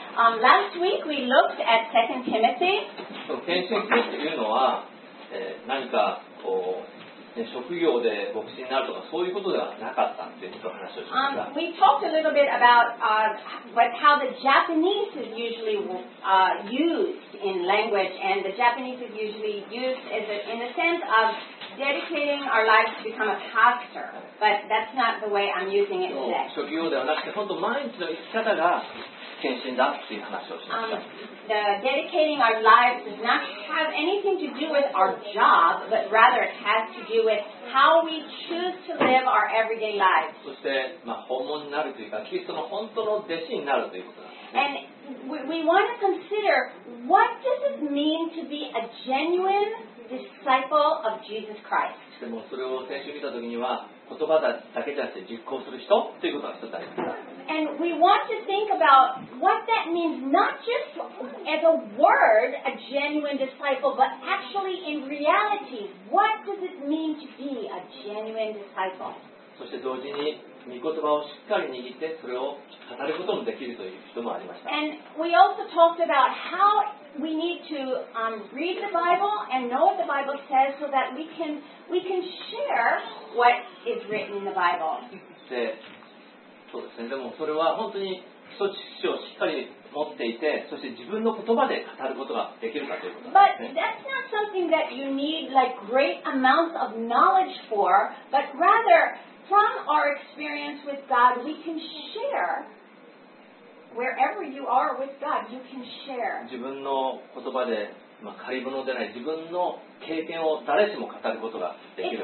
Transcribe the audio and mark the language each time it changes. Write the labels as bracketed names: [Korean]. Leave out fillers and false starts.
[English] Last week we looked at 2 Timothy. [Japanese] 転身するというのは、何かこう職業で牧師になるとかそういうことではなかったっていうことを話をしました。 [English] We talked a little bit about how the Japanese is usually used in language, and the Japanese is usually used in the sense of dedicating our lives to become a pastor. But that's not the way I'm using it today. [Japanese] 職業ではなくて本当毎日の生き方が献身だっていう話をしました。 [English] The dedicating our lives does not have anything to do with our job, but rather it has to do with how we choose to live our everyday lives. [Japanese] そして、まあ、訪問になるというか、キリストの本当の弟子になるということなんですね。 [English] And we want to consider what does it mean to be a genuine disciple of Jesus Christ? [Japanese] でもそれを先週見たときには、言葉だけじゃなくて実行する人ということが一つあります。 [English] And we want to think about what that means, not just as a word, a genuine disciple, but actually in reality, what does it mean to be a genuine disciple? [Japanese] そして同時に御言葉をしっかり握ってそれを語ることもできるという人もありました。 [English] And we also talked about how we need to read the Bible and know what the Bible says so that we can share what is written in the Bible. [Japanese] そうですね、でもそれは本当に基礎知識をしっかり持っていて、そして自分の言葉で語ることができるかということなんですね。 [English] But that's not something that you need like great amounts of knowledge for, but rather from our experience with God, we can share wherever you are with God, you can share. [Japanese] 自分の言葉で、まあ、借り物でない自分の経験を誰しも語ることができる。